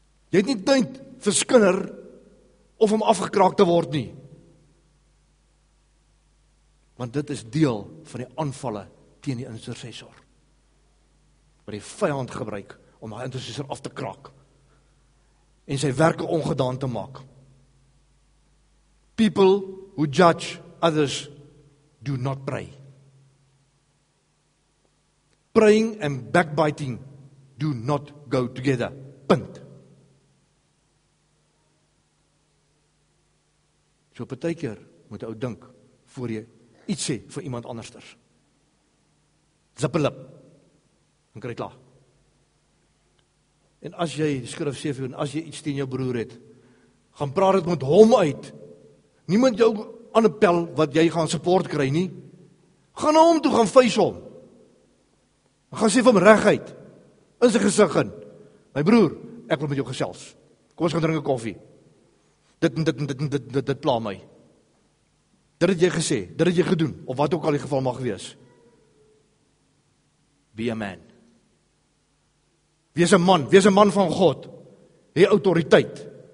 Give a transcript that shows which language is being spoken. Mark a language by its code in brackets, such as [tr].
[af] Jy het nie tyd vir skinder of om afgekraak te word nie. Want dit is deel van die aanvalle teen die intercessor. Wat die vyand gebruik om hy intercessor af te kraak en sy werke ongedaan te maak. [en] People who judge others do not pray. Praying and backbiting do not go together. [af] Punt. So partykeer moet jy ou dink voor jy iets sê vir iemand anders. [en] Zip a lip. [af] En kry klaar. En as jy, die skrif sê vir jou, en as jy iets teen jou broer het, gaan praat het met hom uit. Niemand jou aanpel wat jy gaan support kry nie. Gaan na hom toe, gaan face hom. Gaan sê vir hom reguit, in sy gesig in. My broer, ek wil met jou gesels. Kom ons gaan drink 'n koffie. Dit pla my. Dit het jy gesê, dit het jy gedoen, of wat ook al die geval mag wees. [en] Be a man. [af] Wees een man van God. Hê autoriteit.